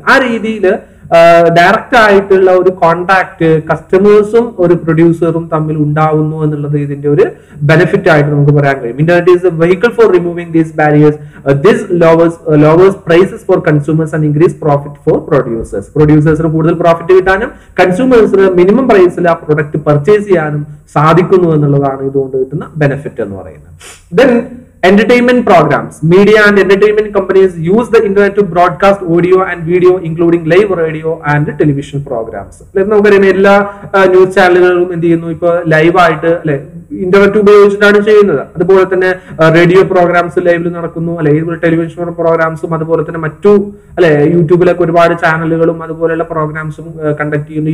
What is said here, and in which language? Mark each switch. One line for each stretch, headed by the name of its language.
Malayalam: ആ രീതിയിൽ ഡയറക്റ്റ് ആയിട്ടുള്ള ഒരു കോൺടാക്ട് കസ്റ്റമേഴ്സും ഒരു പ്രൊഡ്യൂസറും തമ്മിൽ ഉണ്ടാവുന്നു എന്നുള്ളത് ഇതിന്റെ ഒരു ബെനിഫിറ്റ് ആയിട്ട് നമുക്ക് പറയാൻ കഴിയും.
English: Internet is a vehicle for removing these barriers. This lowers prices for consumers and increase profit for producers.
Malayalam: പ്രൊഡ്യൂസേഴ്സിന് കൂടുതൽ പ്രോഫിറ്റ് കിട്ടാനും കൺസ്യൂമേഴ്സിന് മിനിമം പ്രൈസിൽ ആ പ്രൊഡക്റ്റ് പർച്ചേസ് ചെയ്യാനും സാധിക്കുന്നു എന്നുള്ളതാണ് ഇതുകൊണ്ട് കിട്ടുന്ന ബെനിഫിറ്റ് എന്ന് പറയുന്നത്.
English: Then entertainment programs, media and entertainment companies use the internet to broadcast audio and video including live radio and television programs.
Malayalam: നമുക്കറിയാം എല്ലാ ന്യൂസ് ചാനലുകളും എന്ത് ചെയ്യുന്നു, ഇപ്പൊ ലൈവ് ആയിട്ട് അല്ലെ ഇന്റർനെറ്റ് ഉപയോഗിച്ചിട്ടാണ് ചെയ്യുന്നത്. അതുപോലെ തന്നെ റേഡിയോ പ്രോഗ്രാംസ് ലൈവിൽ നടക്കുന്നു, അല്ലെ ഇതുപോലെ ടെലിവിഷൻ പ്രോഗ്രാംസും അതുപോലെ തന്നെ മറ്റു അല്ലെ യൂട്യൂബിലൊക്കെ ഒരുപാട് ചാനലുകളും അതുപോലെയുള്ള പ്രോഗ്രാംസും കണ്ടക്ട് ചെയ്യുന്നു.